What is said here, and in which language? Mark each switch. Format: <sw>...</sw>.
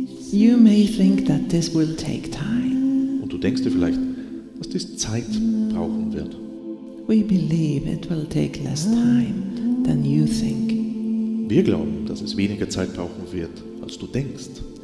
<en>You may think that this will take time.</en> <de>Und du denkst dir vielleicht, dass dies Zeit brauchen wird.</de> <en>We believe it will take less time than you think.</en> <de>Wir glauben, dass es weniger Zeit brauchen wird, als du denkst.</de>